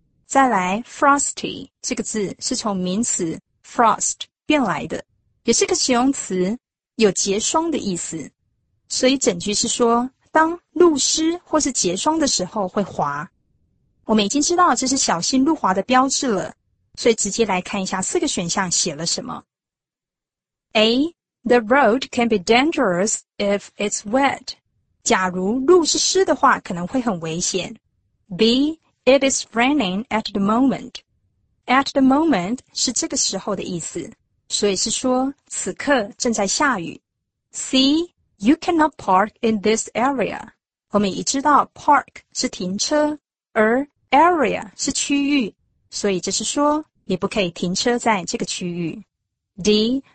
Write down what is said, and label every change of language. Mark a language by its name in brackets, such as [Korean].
[Chinese] 再来，frosty 这个字是从名词 frost 变来的，也是个形容词，有结霜的意思。所以整句是说，当路湿或是结霜的时候会滑。我们已经知道这是小心路滑的标志了，所以直接来看一下四个选项写了什么。 [English] A. The road can be dangerous if it's wet. [Chinese] 假如路是湿的话，可能会很危险。 B. [English] It is raining at the moment. [Chinese] At the moment 是这个时候的意思，所以是说此刻正在下雨。C. [English] You cannot park in this area. [Chinese] 我们已知道 park 是停车，而 area 是区域，所以这是说你不可以停车在这个区域。D.